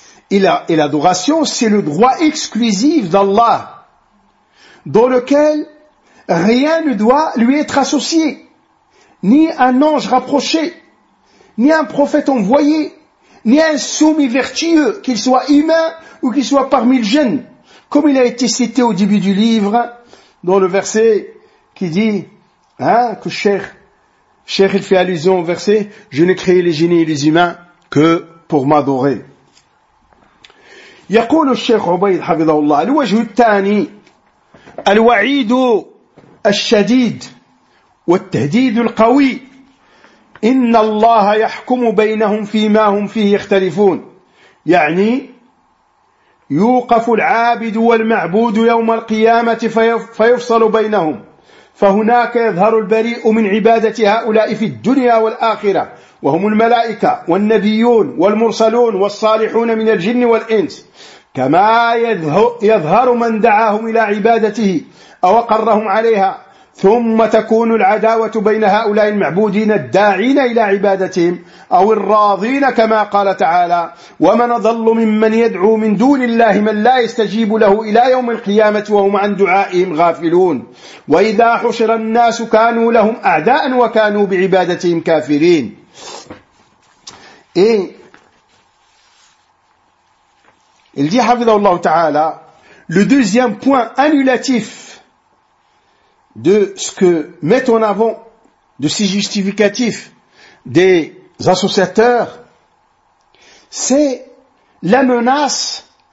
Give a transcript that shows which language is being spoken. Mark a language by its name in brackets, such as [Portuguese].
[French] Et l'adoration, c'est le droit exclusif d'Allah, dans lequel rien ne doit lui être associé, ni un ange rapproché, ni un prophète envoyé, ni un soumis vertueux, qu'il soit humain ou qu'il soit parmi les jeunes, comme il a été cité au début du livre, dans le verset qui dit, hein, que cher, il fait allusion au verset, je n'ai créé les génies et les humains que pour m'adorer. [Arabic] يقول الشيخ عبيد حفظه الله الوجه الثاني الوعيد الشديد والتهديد القوي إن الله يحكم بينهم فيما هم فيه يختلفون يعني يوقف العابد والمعبود يوم القيامة فيفصل بينهم فهناك يظهر البريء من عبادة هؤلاء في الدنيا والآخرة وهم الملائكة والنبيون والمرسلون والصالحون من الجن والإنس كما يظهر من دعاهم إلى عبادته أو قرهم عليها ثم تكون العداوة بين هؤلاء المعبودين الداعين إلى عبادتهم أو الراضين كما قال تعالى ومن أضل ممن يدعو من دون الله من لا يستجيب له إلى يوم القيامة وهم عن دعائهم غافلون وإذا حشر الناس كانوا لهم أعداء وكانوا بعبادتهم كافرين. [French] Il dit, [Arabic] حفظه الله تعالى, [French] le deuxième point annulatif de ce que mettent en avant, de ces justificatifs des associateurs, c'est la menace